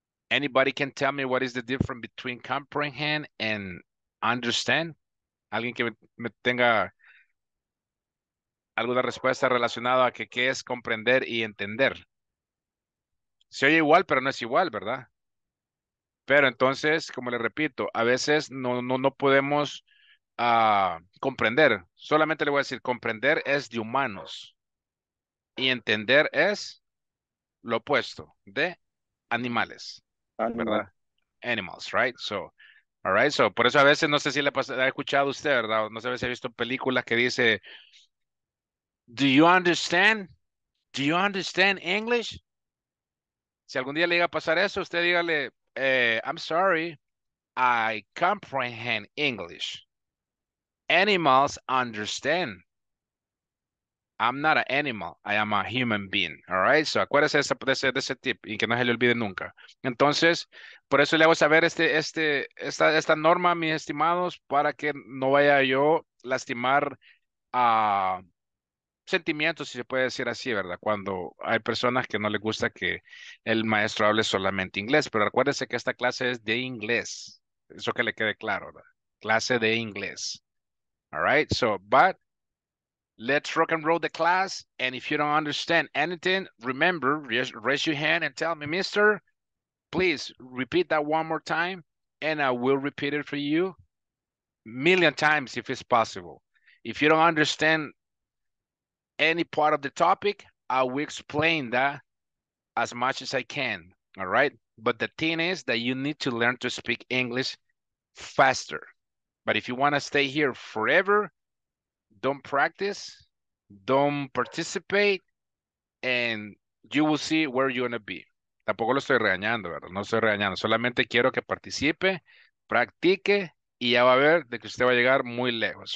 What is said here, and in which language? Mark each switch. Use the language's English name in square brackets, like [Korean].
[English] Anybody can tell me what is the difference between comprehend and understand? [Spanish] Alguien que me tenga alguna respuesta relacionada a qué es comprender y entender. Se oye igual, pero no es igual, ¿verdad? Pero entonces, como le repito, a veces no podemos comprender. Solamente le voy a decir, comprender es de humanos. Y entender es lo opuesto de animales. ¿Verdad? [English] Animals, right? So, all right. [Spanish] So, por eso a veces, no sé si le ha escuchado usted, ¿verdad? No sé si ha visto películas que dice, [English] do you understand? Do you understand English? [Spanish] Si algún día le llega a pasar eso, usted dígale, [English] I'm sorry, I comprehend English. Animals understand. I'm not an animal, I am a human being. All right, so [Spanish] acuérdese de ese tip y que no se le olvide nunca. Entonces, por eso le hago saber esta norma, mis estimados, para que no vaya yo lastimar sentimientos, si se puede decir así, ¿verdad? Cuando hay personas que no les gusta que el maestro hable solamente inglés, pero acuérdese que esta clase es de inglés. Eso que le quede claro, ¿verdad? Clase de inglés. [English] All right, so, but let's rock and roll the class, and if you don't understand anything, remember, raise your hand and tell me, mister, please repeat that one more time, and I will repeat it for you a million times if it's possible. If you don't understand any part of the topic, I will explain that as much as I can, all right? But the thing is that you need to learn to speak English faster. But if you want to stay here forever, don't practice, don't participate, and you will see where you're going to be. [Spanish] Tampoco lo estoy regañando, ¿verdad? No estoy regañando. Solamente quiero que participe, practique, y ya va a ver de que usted va a llegar muy lejos.